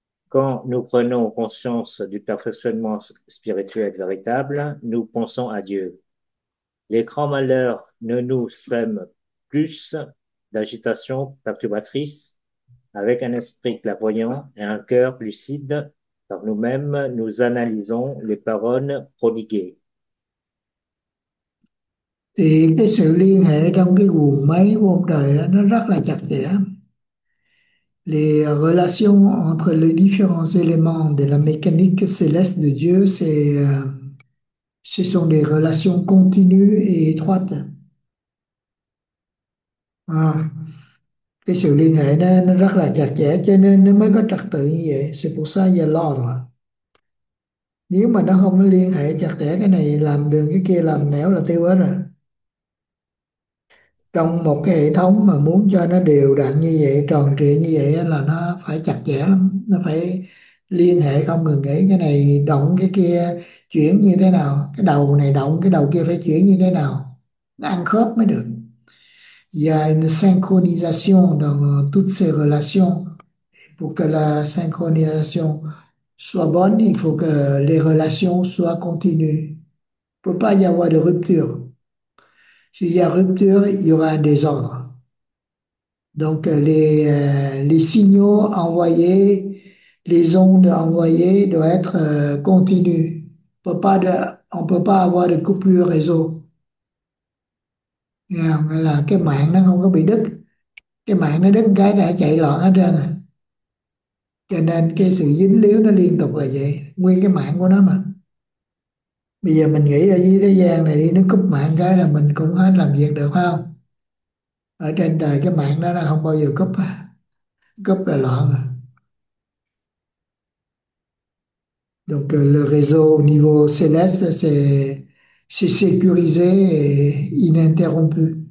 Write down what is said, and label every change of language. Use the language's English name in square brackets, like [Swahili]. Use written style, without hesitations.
[French] Quand nous prenons conscience du perfectionnement spirituel véritable, nous pensons à Dieu. Les grands malheurs ne nous sèment plus d'agitation perturbatrice. Avec un esprit clairvoyant et un cœur lucide, par nous-mêmes, nous analysons les paroles prodiguées. [Vietnamese] Thì cái sự liên hệ trong cái guồng máy của ông trời ấy, nó rất là chặt chẽ. [French] Les relations entre les différents éléments de la mécanique céleste de Dieu, ce sont des relations continues et étroites. [Vietnamese] À, cái sự liên hệ nó rất là chặt chẽ cho nên nó mới có trật tự như vậy. [French] C'est pour ça qu'il y a l'ordre. [Vietnamese] Nếu mà nó không liên hệ chặt chẽ, cái này làm đường cái kia làm nẻo là tiêu hết rồi. Trong một cái hệ thống mà muốn cho nó đều đặn như vậy, tròn trịa như vậy là nó phải chặt chẽ lắm, nó phải liên hệ không ngừng nghỉ, cái này động cái kia chuyển như thế nào, cái đầu này động cái đầu kia phải chuyển như thế nào, nó ăn khớp mới được. [French] Il y a une synchronisation dans toutes ces relations. Et pour que la synchronisation soit bonne, il faut que les relations soient continues. Il ne peut pas y avoir de rupture. S'il y a rupture, il y aura un désordre. Donc les signaux envoyés, les ondes envoyées doivent être continues. On peut pas avoir de coupure réseau. [Vietnamese] Là cái mạng nó không có bị đứt. Cái mạng nó đứt cái đã chạy loạn hết trơn. Cho nên cái sự dính líu nó liên tục là vậy, nguyên cái mạng của nó mà. Bây giờ mình nghĩ ở dưới thế gian này đi, nó cúp mạng cái là mình cũng hết làm việc được không? Ở trên trời cái mạng đó là không bao giờ cúp á. Cúp là loạn. [French] Donc le réseau au niveau céleste, c'est sécurisé et ininterrompu.